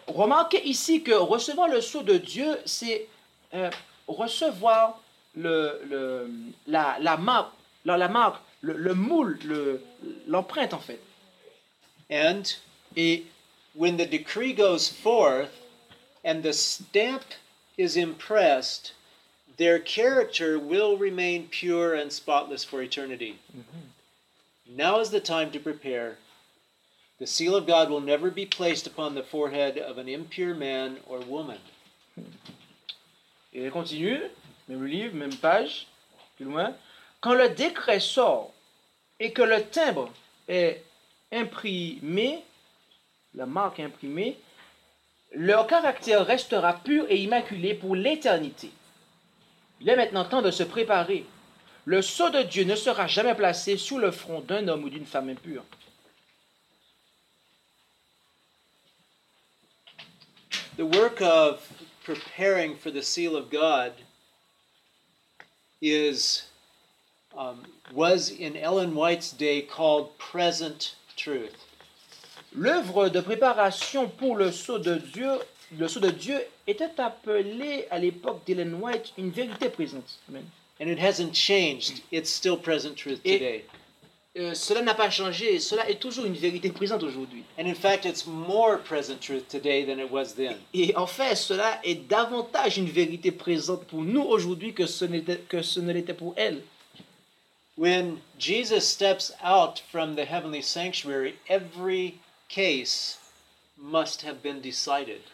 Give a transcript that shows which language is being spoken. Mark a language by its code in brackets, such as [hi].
[fr] Remarquez ici que recevoir le sceau de Dieu, c'est recevoir la marque, le moule, l'empreinte en fait. [en] And when the decree goes forth and the stamp is impressed, their character will remain pure and spotless for eternity. Mm-hmm. Now is the time to prepare. The seal of God will never be placed upon the forehead of an impure man or woman. [fr] Et continue, même livre, même page, plus loin. Quand le décret sort et que le timbre est imprimé, la marque est imprimée, leur caractère restera pur et immaculé pour l'éternité. Il est maintenant temps de se préparer. Le sceau de Dieu ne sera jamais placé sur le front d'un homme ou d'une femme impure. [en] The work of preparing for the seal of God was in Ellen White's day called present truth. [fr] L'œuvre de préparation pour le sceau de Dieu était appelée à l'époque d'Ellen White une vérité présente. [en] Amen. And it hasn't changed. It's still present truth today. [fr] Cela n'a pas changé. Cela est toujours une vérité présente aujourd'hui. [en] And in fact, it's more present truth today than it was then. [fr] Et en fait, cela est davantage une vérité présente pour nous aujourd'hui que ce ne l'était pour elle. [en] When Jesus steps out from the heavenly sanctuary, every case must have been decided.